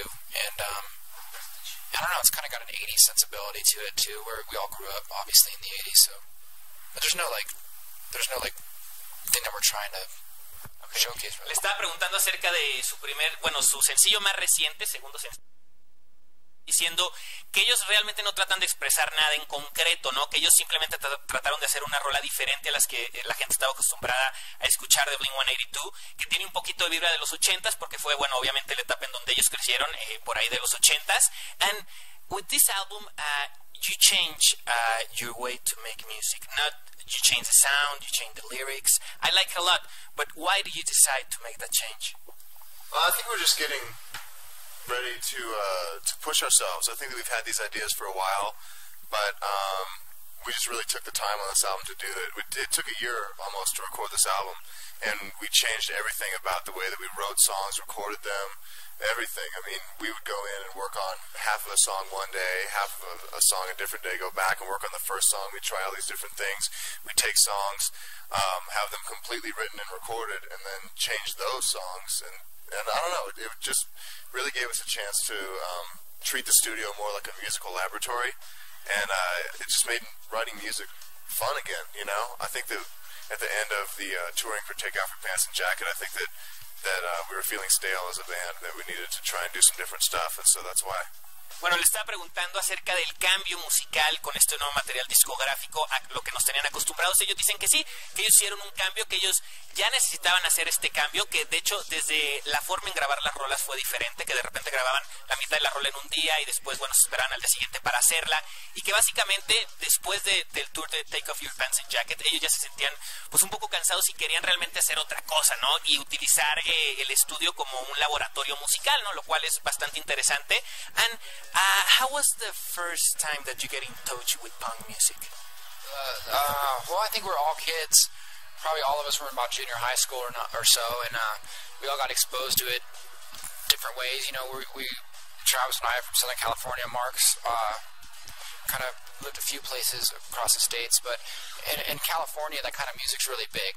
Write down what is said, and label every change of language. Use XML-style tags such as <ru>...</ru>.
<en>And I don't know, it's kind of got an 80s sensibility to it too, where we all grew up obviously in the 80s. So, but there's no thing that we're trying to.</en> <es>Le estaba preguntando acerca de su primer, bueno, su sencillo más reciente, segundo sencillo, diciendo que ellos realmente no tratan de expresar nada en concreto, ¿no? Que ellos simplemente trataron de hacer una rola diferente a las que la gente estaba acostumbrada a escuchar de Blink-182, que tiene un poquito de vibra de los 80s, porque fue, bueno, obviamente la etapa en donde ellos crecieron, por ahí de los 80s.</es> <en>And with this album, you change your way to make music, not you change the sound, you change the lyrics. I like a lot, but why do you decide to make that change? Well, I think we're just getting ready to push ourselves. I think that we've had these ideas for a while, but we just really took the time on this album to do it. It took a year almost to record this album, and we changed everything about the way that we wrote songs, recorded them, everything. I mean, we would go in and work on half of a song one day, half of a song a different day, go back and work on the first song. We'd try all these different things. We'd take songs, have them completely written and recorded, and then change those songs. And I don't know, it just really gave us a chance to treat the studio more like a musical laboratory. And it just made writing music fun again, you know? I think that at the end of the touring for Take Off Your Pants and Jacket, I think that we were feeling stale as a band, that we needed to try and do some different stuff, and so that's why.</en> <es>Bueno, le estaba preguntando acerca del cambio musical con este nuevo material discográfico a lo que nos tenían acostumbrados. Ellos dicen que sí, que ellos hicieron un cambio, que ellos ya necesitaban hacer este cambio, que de hecho desde la forma en grabar las rolas fue diferente, que de repente grababan la mitad de la rola en un día y después, bueno, se esperaban al día siguiente para hacerla, y que básicamente después del tour de Take Off Your Pants and Jacket, ellos ya se sentían pues un poco cansados y querían realmente hacer otra cosa, ¿no? Y utilizar el estudio como un laboratorio musical, ¿no? Lo cual es bastante interesante.</es> <en>And how was the first time that you get in touch with punk music? Well, I think we're all kids. Probably all of us were in about junior high school or so, and we all got exposed to it different ways. You know, we Travis and I are from Southern California. Mark's kind of lived a few places across the states, but in California, that kind of music's really big.</en>